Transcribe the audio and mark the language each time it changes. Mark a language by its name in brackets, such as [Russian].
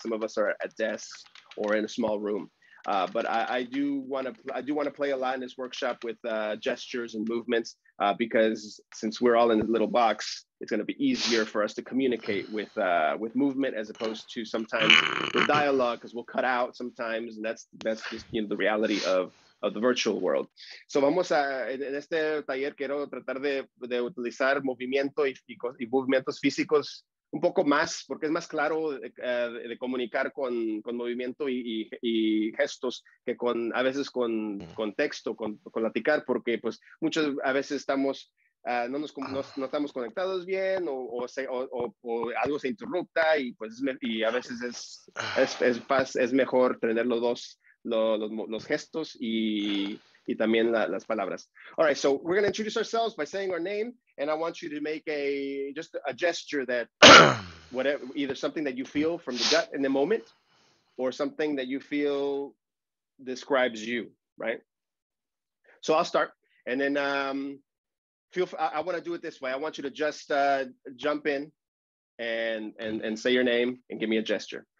[English] Some of us are at desks or in a small room. But I do want to play a lot in this workshop with gestures and movements because since we're all in a little box, it's going to be easier for us to communicate with movement as opposed to sometimes the dialogue because we'll cut out sometimes, and that's just, you know, the reality of the virtual world. [Spanish] So vamos a en este taller quiero tratar de utilizar movimiento y movimientos físicos un poco más porque es más claro de comunicar con movimiento y gestos que con a veces con texto con platicar porque pues muchas a veces estamos no estamos conectados bien o algo se interrumpa y a veces es mejor tener los dos los gestos y también las palabras. [English] All right, so we're going to introduce ourselves by saying our name, and I want you to make a gesture that whatever, either something that you feel from the gut in the moment or something that you feel describes you, right? So I'll start, and then I want to do it this way. I want you to just jump in and say your name and give me a gesture.